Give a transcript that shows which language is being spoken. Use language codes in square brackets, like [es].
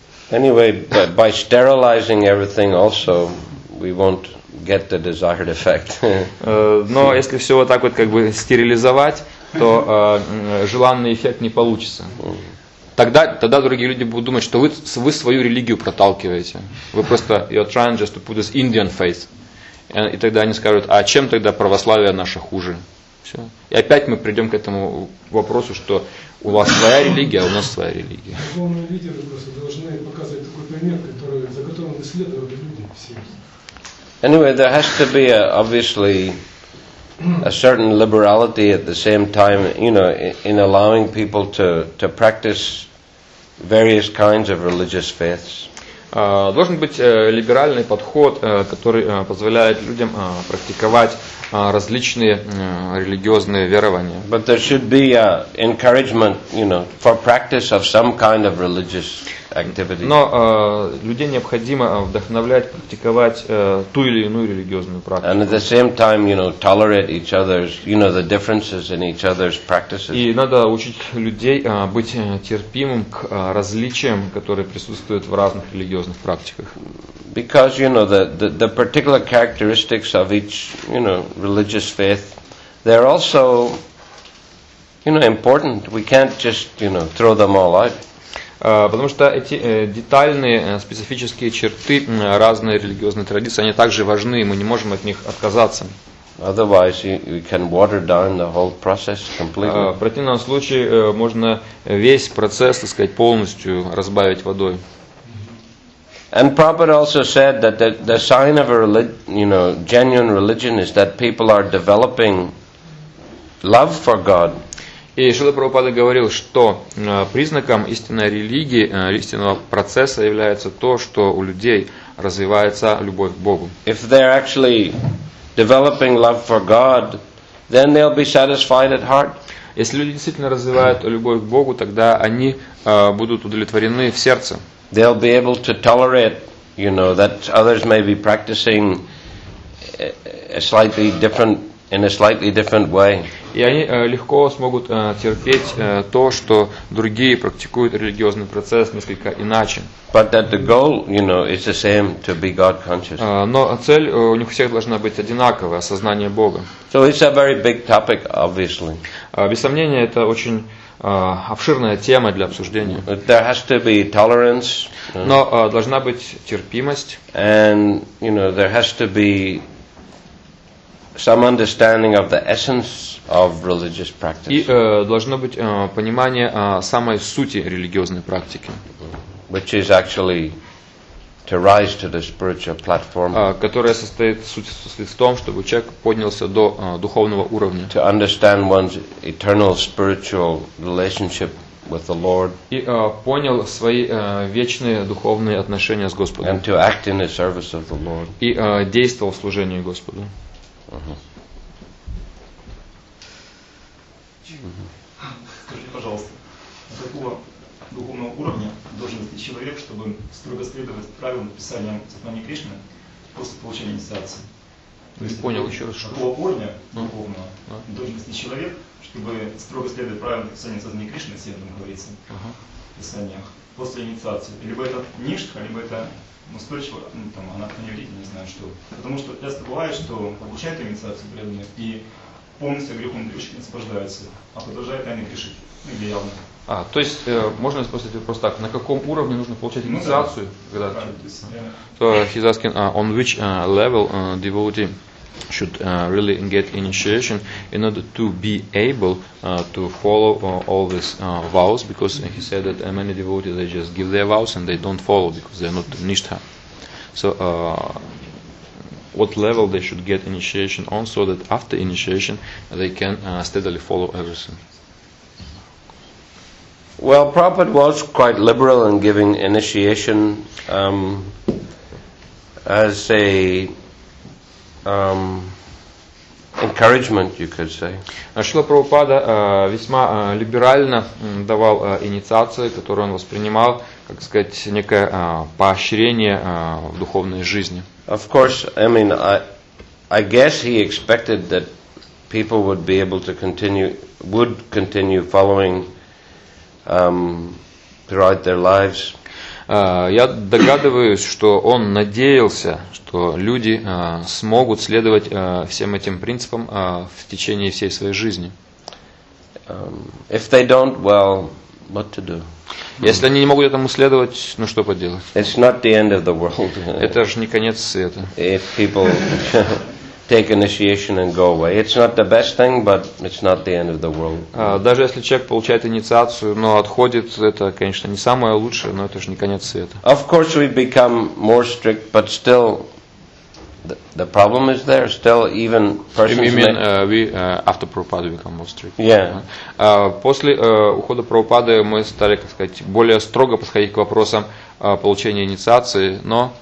[en] Anyway, by sterilizing everything also, we won't get the desired effect. [ru] Но если все вот так вот как бы стерилизовать, то желанный эффект не получится. Тогда другие люди будут думать, что вы свою религию проталкиваете. Вы просто, [en] you're trying just to put this Indian faith. [ru] И тогда они скажут, а чем тогда православие наше хуже? Все. И опять мы придем к этому вопросу, что у вас своя религия, а у нас своя религия. Духовные лидеры просто должны показывать такой пример, за которым исследовали люди все. [en] Anyway, there has to be obviously a certain liberality at the same time, you know, in allowing people to practice various kinds of religious faiths. [ru] Должен быть либеральный подход, который позволяет людям практиковать различные религиозные верования. [en] But there should be an encouragement, you know, for practice of some kind of religious activity. [ru] Но людей необходимо вдохновлять практиковать ту или иную религиозную практику. [en] And at the same time, you know, tolerate each other's, you know, the differences in each other's practices. [ru] И надо учить людей быть терпимым к различиям, которые присутствуют в разных религиозных практиках. [en] Because, you know, the particular characteristics of each, you know, religious faith, they're also, you know, important. We can't just, you know, throw them all out. [ru] Потому что эти детальные, специфические черты разной религиозной традиции, они также важны, и мы не можем от них отказаться. [en] Otherwise, you can water down the whole process completely. [ru] В противном случае можно весь процесс, так сказать, полностью разбавить водой. [en] And Prabhupada also said that the sign of a genuine religion is that people are developing love for God. [ru] И Шрила Прабхупада говорил, что признаком истинной религии, истинного процесса является то, что у людей развивается любовь к Богу. [en] If they're actually developing love for God, then they'll be satisfied at heart. [ru] Если люди действительно развивают любовь к Богу, тогда они будут удовлетворены в сердце. [en] They'll be able to tolerate, you know, that others may be practicing a slightly different way. [ru] И они легко смогут терпеть то, что другие практикуют религиозный процесс несколько иначе. [en] But that the goal, you know, is the same, to be God conscious. [ru] Но цель у них всех должна быть одинаковая, осознание Бога. [en] So it's a very big topic, obviously. [ru] Без сомнения, это очень обширная тема для обсуждения. [en] But there has to be tolerance. [ru] Но должна быть терпимость. [en] And, you know, there has to be some understanding of the essence of religious practice. [ru] И должно быть понимание самой сути религиозной практики. [en] Which is actually to rise to the spiritual platform. [ru] Которая состоит в том, чтобы человек поднялся до духовного уровня. [en] To understand one's eternal spiritual relationship with the Lord. [ru] И понял свои вечные духовные отношения с Господом. [en] And to act in the service of the Lord. [ru] И действовал в служении Господу. Скажи, пожалуйста, какого духовного уровня должен быть человек, чтобы строго следовать правилам писания сознания Кришны после получения инициации? То есть, понял еще раз. Какого уровня духовного должен быть человек, чтобы строго следовать правилам писания сознания Кришны, если там говорится в писаниях, после инициации? Либо это ништха, либо это настойчиво, ну, там, она не видит, не знаю, что. Потому что часто бывает, что получают инициацию преданные, и полностью грехом Кришны освобождается, а продолжает тайны Кришны, ну, где явно. А, то есть можно спросить вопрос так, на каком уровне нужно получать инициацию? Ну, да, [en] so he's asking, on which level devotee should really get initiation in order to be able to follow all these vows, because he said that many devotees, they just give their vows and they don't follow because they're not nishtha. So what level they should get initiation on so that after initiation they can steadily follow everything? Well, Prabhupada was quite liberal in giving initiation as a encouragement, you could say. [ru] Шрила Прабхупада весьма либерально давал инициации, которую он воспринимал, как сказать, некое поощрение в духовной жизни. [en] Of course, I mean, I guess he expected that people would be able to continue, would continue following throughout their lives. [ru] Я догадываюсь, что он надеялся, что люди смогут следовать всем этим принципам в течение всей своей жизни. [en] If they don't, well, what to do? [ru] Если они не могут этому следовать, ну что поделать? [en] It's not the end of the world. [ru] Это же не конец света. [en] If people take initiation and go away. It's not the best thing, but it's not the end of the world. [ru] Даже если человек получает инициацию, но отходит, это, конечно, не самое лучшее, но это же не конец света. [en] Of course, we become more strict, but still, the problem is there. Still, even persons. You mean we after Prabhupada become more strict? Yeah. [ru] После ухода Прабхупады мы стали, как сказать, более строго подходить к вопросам получения инициации, но.